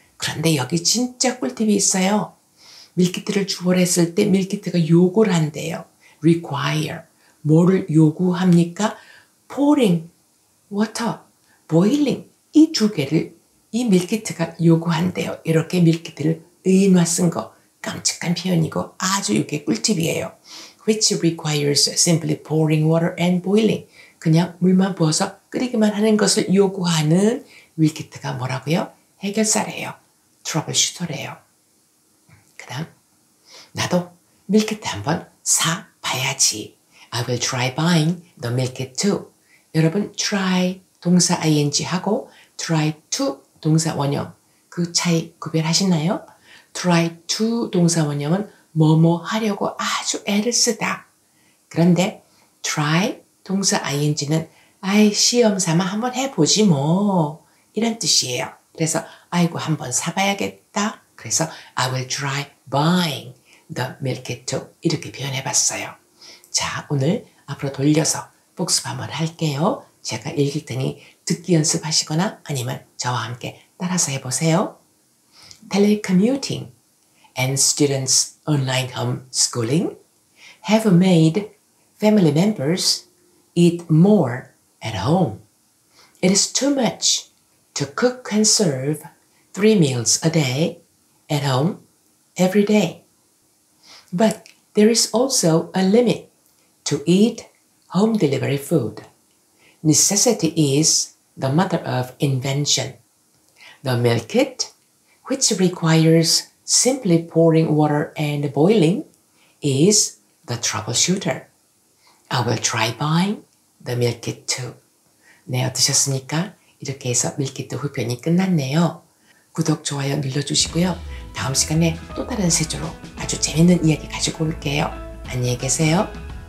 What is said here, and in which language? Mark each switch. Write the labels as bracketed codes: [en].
[ko] 그런데 여기 진짜 꿀팁이 있어요. 밀키트를 주어로 했을 때 밀키트가 요구를 한대요. [en] require. [ko] 뭐를 요구합니까? [en] pouring water, boiling. [ko] 이 두 개를 이 밀키트가 요구한대요. 이렇게 밀키트를 의인화 쓴 거. 깜찍한 표현이고 아주 이게 꿀팁이에요. [en] which requires simply pouring water and boiling. [ko] 그냥 물만 부어서 끓이기만 하는 것을 요구하는 밀키트가 뭐라고요? 해결사래요. 트러블슈터래요. 그 다음, 나도 밀키트 한번 사봐야지. [en] I will try buying the milkit too. [ko] 여러분, [en] try 동사 ing 하고 try to [ko] 동사 원형 그 차이 구별하시나요? [en] try to [ko] 동사 원형은 뭐뭐 하려고 아주 애를 쓰다. 그런데 try 동사 ing는 아이 시험 삼아 한번 해보지 뭐 이런 뜻이에요. 그래서 아이고 한번 사봐야겠다. 그래서 [en] I will try buying the milk too [ko] 이렇게 표현해봤어요. 자 오늘 앞으로 돌려서 복습 한번 할게요. 제가 읽을 테니 듣기 연습하시거나 아니면 저와 함께 따라서 해보세요. [en] Telecommuting and students online homeschooling have made family members eat more at home. It is too much to cook and serve 3 meals a day at home every day. But there is also a limit to eat home delivery food. Necessity is the mother of invention. The milk kit, which requires simply pouring water and boiling, is the troubleshooter. I will try buying the milk kit too. [ko] 네, 어떠셨습니까? 이렇게 해서 밀키트 후편이 끝났네요. 구독, 좋아요 눌러주시고요. 다음 시간에 또 다른 세조로 아주 재밌는 이야기 가지고 올게요. 안녕히 계세요.